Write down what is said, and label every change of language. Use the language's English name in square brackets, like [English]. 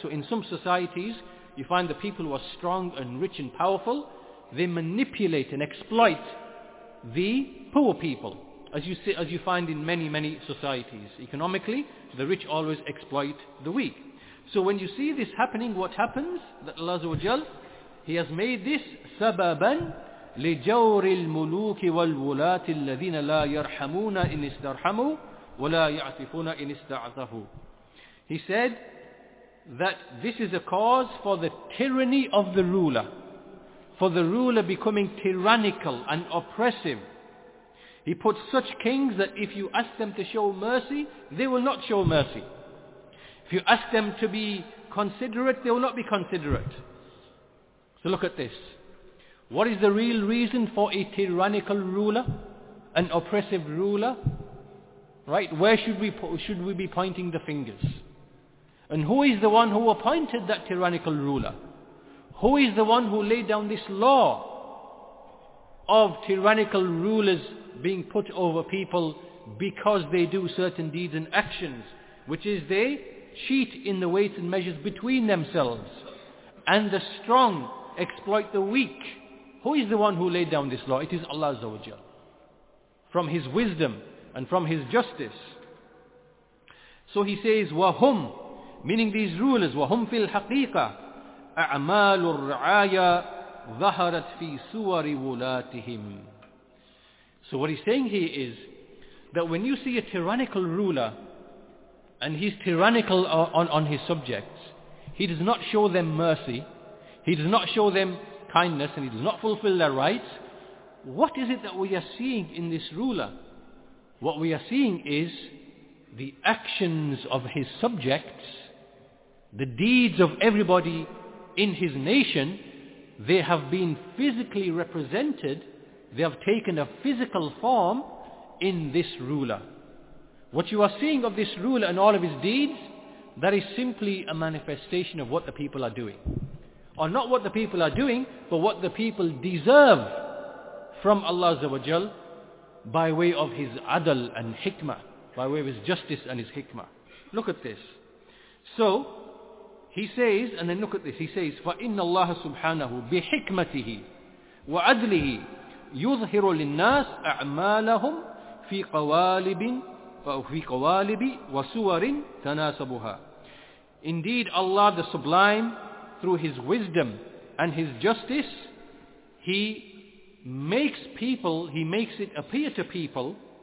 [English] So in some societies, you find the people who are strong and rich and powerful, they manipulate and exploit the poor people, as you find in many, many societies. Economically, the rich always exploit the weak. So when you see this happening, what happens? That Allah Azza wa Jal, He has made this sababan [Arabic] لجور الملوك والولاة الذين لا يرحمون إن استرحموا ولا يعطفون إن استعطفوا. [English] He said that this is a cause for the tyranny of the ruler, for the ruler becoming tyrannical and oppressive. He puts such kings that if you ask them to show mercy, they will not show mercy. If you ask them to be considerate, they will not be considerate. So look at this. What is the real reason for a tyrannical ruler, an oppressive ruler? Right? Where should we be pointing the fingers? And who is the one who appointed that tyrannical ruler? Who is the one who laid down this law of tyrannical rulers being put over people because they do certain deeds and actions, which is they cheat in the weights and measures between themselves, and the strong exploit the weak? Who is the one who laid down this law? It is Allah Azza wa Jal, from His wisdom and from His justice. So He says, [Arabic] وَهُمْ, [English] meaning these rulers, [Arabic] وَهُمْ فِي الْحَقِيقَةِ أَعْمَالُ الرَّعَايَا ظَهَرَتْ فِي سُوَرِ وُلَاتِهِمْ. [English] So what He's saying here is that when you see a tyrannical ruler and he's tyrannical on his subjects, he does not show them mercy, he does not show them kindness, and he does not fulfill their rights. What is it that we are seeing in this ruler? What we are seeing is the actions of his subjects, the deeds of everybody in his nation, they have been physically represented, they have taken a physical form in this ruler. What you are seeing of this ruler and all of his deeds, that is simply a manifestation of what the people are doing. Or not what the people are doing, but what the people deserve from Allah Azza wa Jal by way of His adal and hikmah, by way of His justice and His hikmah. Look at this. So, He says, and then look at this, He says, [Arabic] فَإِنَّ اللَّهَ سُبْحَانَهُ بِحِكْمَتِهِ وَعَدْلِهِ يُظْهِرُ لِلنَّاسِ أَعْمَالَهُمْ فِي قَوَالِبٍ فِي قَوَالِبِ وَسُوَرٍ تَنَاسَبُهَا. [English] Indeed Allah the Sublime, through His wisdom and His justice, He makes people, He makes it appear to people,